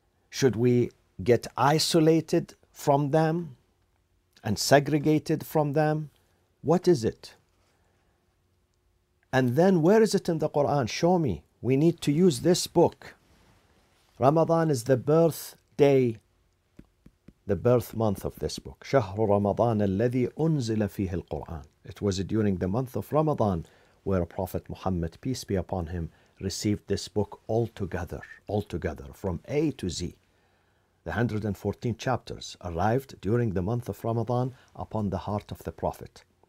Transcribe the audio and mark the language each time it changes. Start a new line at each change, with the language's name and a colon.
English: Should we get isolated from them and segregated from them? What is it? And then where is it in the Quran? Show me. We need to use this book. Ramadan is the birthday, the birth month of this book.
Arabic: شهر رمضان الذي أنزل فيه القرآن.
English: It was during the month of Ramadan where Prophet Muhammad, peace be upon him, received this book altogether, from A to Z. The 114 chapters arrived during the month of Ramadan upon the heart of the Prophet.